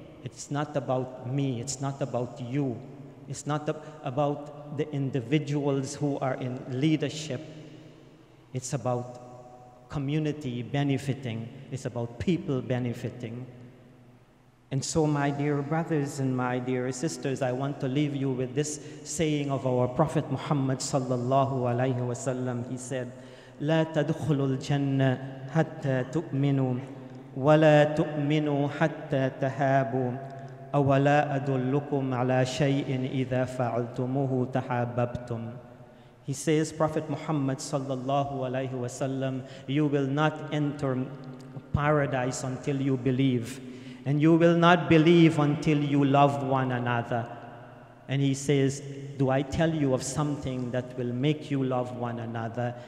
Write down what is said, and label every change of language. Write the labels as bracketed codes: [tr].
[en] It's not about me, it's not about you. It's not about the individuals who are in leadership. It's about community benefiting. It's about people benefiting. And so, my dear brothers and my dear sisters, I want to leave you with this saying of our Prophet Muhammad sallallahu alaihi wasallam. He said, [ar] لا تدخلوا الجنة حتى تؤمنوا ولا تؤمنوا حتى تحابوا أولا أدلكم على شيء إذا فعلتموه تحاببتم. [en] He says, Prophet Muhammad sallallahu alaihi wasallam, you will not enter paradise until you believe, and you will not believe until you love one another. And he says, do I tell you of something that will make you love one another?